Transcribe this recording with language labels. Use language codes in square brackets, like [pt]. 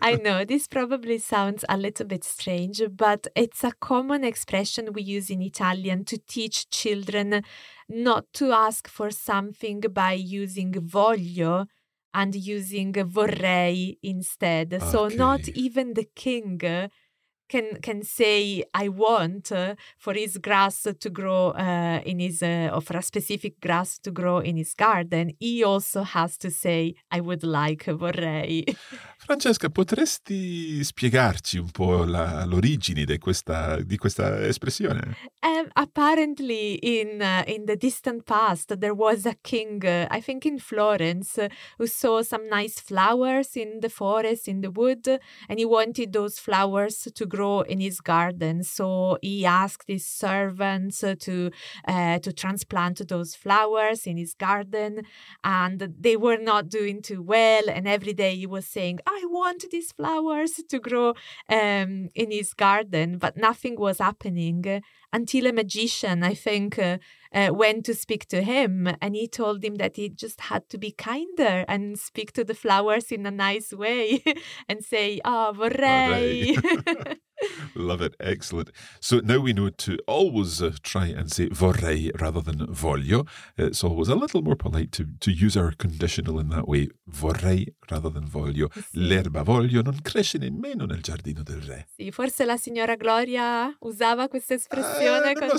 [en] I know, this probably sounds a little bit strange, but it's a common expression we use in Italian to teach children not to ask for something by using voglio and using vorrei instead. Okay. So not even the king can say I want for his grass to grow in his or for a specific grass to grow in his garden. He also has to say I would like, vorrei. [it] Francesca, potresti spiegarci un po' l'origine di questa espressione? [en] Apparently in the distant past there was a king, I think in Florence, who saw some nice flowers in the forest, in the wood, and he wanted those flowers to grow grow in his garden. So he asked his servants to transplant those flowers in his garden, and they were not doing too well. And every day he was saying, I want these flowers to grow in his garden, but nothing was happening until a magician, I think, went to speak to him, and he told him that he just had to be kinder and speak to the flowers in a nice way and say, oh, vorrei. Love it. Excellent. So now we know to always try and say vorrei rather than voglio. It's always a little more polite to use our conditional in that way. Vorrei rather than voglio. [it] L'erba voglio non cresce nemmeno nel giardino del re. Sì, forse la signora Gloria usava questa espressione con